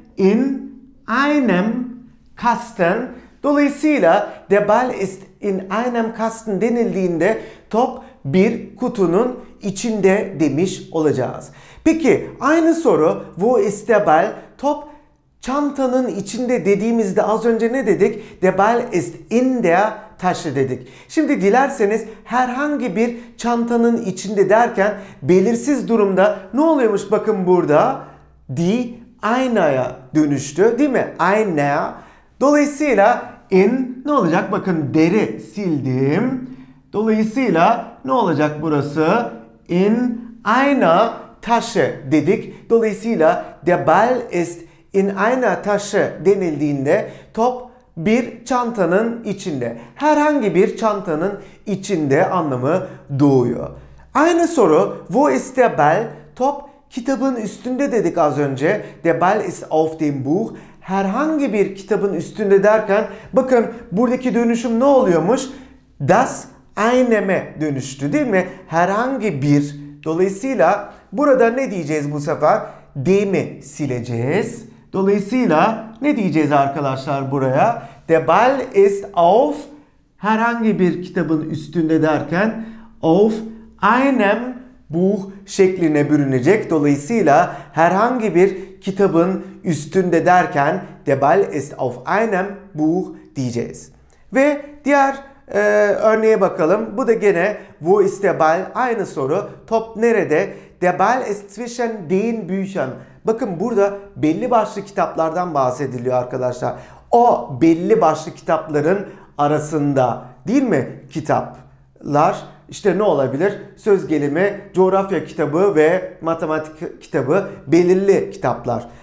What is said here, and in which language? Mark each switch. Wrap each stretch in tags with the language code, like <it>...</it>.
<de>In einem Kasten.</de> <tr>Dolayısıyla</tr> <de>der Ball ist in einem Kasten</de> <tr>denildiğinde top bir kutunun içinde demiş olacağız. Peki aynı soru,</tr> <de>wo ist der Ball?</de> <tr>Top çantanın içinde dediğimizde az önce ne dedik?</tr> <de>Der Ball ist in der Tasche</de> <tr>dedik. Şimdi dilerseniz herhangi bir çantanın içinde derken belirsiz durumda ne oluyormuş, bakın burada die eine'ye dönüştü, değil mi? Eine. Dolayısıyla in ne olacak? Bakın deri sildim. Dolayısıyla ne olacak burası?</tr> <de>In einer Tasche</de> <tr>dedik. Dolayısıyla</tr> <de>der Ball ist in einer Tasche</de> <tr>denildiğinde top bir çantanın içinde. Herhangi bir çantanın içinde anlamı doğuyor. Aynı soru,</tr> <de>wo ist der Ball?</de> <tr>Top kitabın üstünde dedik az önce.</tr> <de>Der Ball ist auf dem Buch.</de> <tr>Herhangi bir kitabın üstünde derken bakın buradaki dönüşüm ne oluyormuş? Das einem'e dönüştü, değil mi? Herhangi bir. Dolayısıyla burada ne diyeceğiz bu sefer? Dem'i sileceğiz. Dolayısıyla ne diyeceğiz arkadaşlar buraya?</tr> <de>Der Ball ist auf,</de> <tr>herhangi bir kitabın üstünde derken,</tr> <de>auf einem Buch</de> <tr>şekline bürünecek. Dolayısıyla herhangi bir kitabın üstünde derken</tr> <de>der Ball ist auf einem Buch</de> <tr>diyeceğiz. Ve diğer örneğe bakalım. Bu da gene</tr> <de>wo ist der Ball?</de> <tr>Aynı soru. Top nerede?</tr> <de>Der Ball ist zwischen den Büchern.</de> <tr>Bakın burada belli başlı kitaplardan bahsediliyor arkadaşlar. O belli başlı kitapların arasında, değil mi? Kitaplar. İşte ne olabilir? Söz gelimi, coğrafya kitabı ve matematik kitabı, belirli kitaplar.</tr>